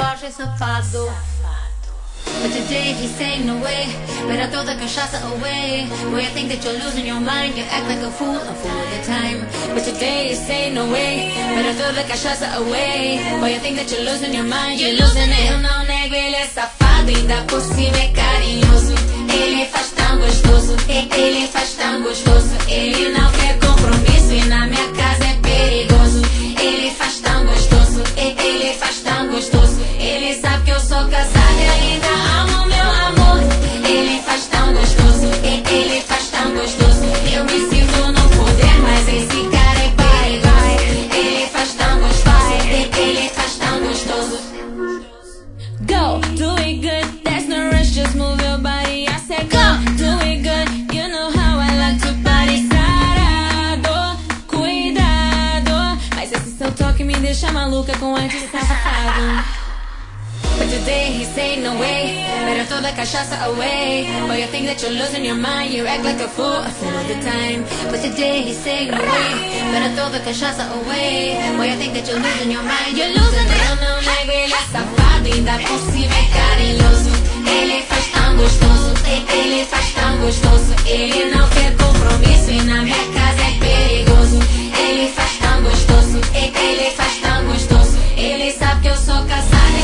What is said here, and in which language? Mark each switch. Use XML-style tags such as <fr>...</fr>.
<en>But today he's staying away. Better throw the cachaça away. Where you think that you're losing your mind, you act like a fool of the time. But today he's staying away. Better throw the cachaça away. Where you think that you're losing your mind, you're losing it.</en> <pt>Eu não nego, ele é safado, ainda por cima é carinhoso. Ele faz tão gostoso, ele faz tão gostoso. Ele não quer compromisso e na minha casa é perigoso. Ele faz tão gostoso, ele faz tão gostoso. Ele sabe que eu sou casada e ainda amo meu amor. Ele faz tão gostoso, ele faz tão gostoso. Eu me sinto no poder, mas esse cara é pai, vai. Ele faz tão gostoso, ele faz tão gostoso.</pt> <en>Go, do it good, there's no rush, just move your body. I said go, do it good, you know how I like to party.</en> <pt>Sarado, cuidado, mas esse seu toque me deixa maluca com a safado.</pt> <en>But today he's saying no way. Better throw the cachaça away. Boy, you think that you're losing your mind. You act like a fool all the time. But today he's saying no way. Better throw the cachaça away. Boy, you think that you're losing your mind. You're losing it.</en> <pt>Não, não, nego, ele é safado. Ainda por cima é carinhoso. Ele faz tão gostoso. Ele faz tão gostoso. Ele não quer compromisso. E na minha casa é perigoso. Ele faz tão gostoso. Ele faz tão gostoso. Ele sabe que eu sou casado.</pt>